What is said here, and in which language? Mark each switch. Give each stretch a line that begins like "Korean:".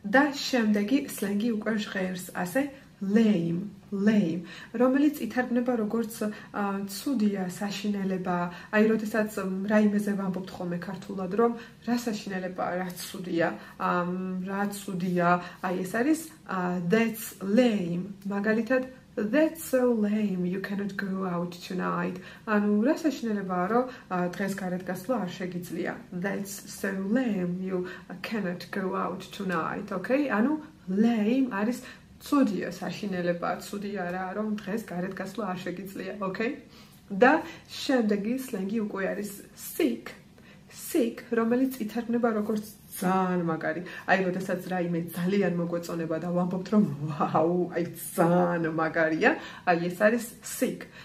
Georgian: და შემდეგი სლენგი უკვე ჟღერს, ასე lame, lame, რომელიც ითარგმნება როგორც ცუდია, საშინელება. აი, როდესაც რაიმეზე ვამბობთ ხოლმე ქართულად, რომ რა საშინელება, რა ცუდია, რა ცუდია, აი ეს არის that's lame. მაგალითად
English: that's so lame you cannot go out tonight.
Georgian: ანუ რა საშინელებაა, რომ დღეს გარეთ გასვლა არ შეგიძლია.
English: That's so lame you cannot go out tonight. Okay?
Georgian: ანუ lame არის ცუდია, საშინელება, ცუდია რა, რომ დღეს გარეთ გასვლა არ შეგიძლია. Okay? და შემდეგი სლენგი უკვე არის sick. Sick, რომელიც ითარგმნება როგორც ძალიან მაგარი. აი, როდესაც რაიმე ძალიან მოგვეწონება და ვამბობთ რომ ვაუ, აი ძალიან მაგარია, აი ეს არის sick.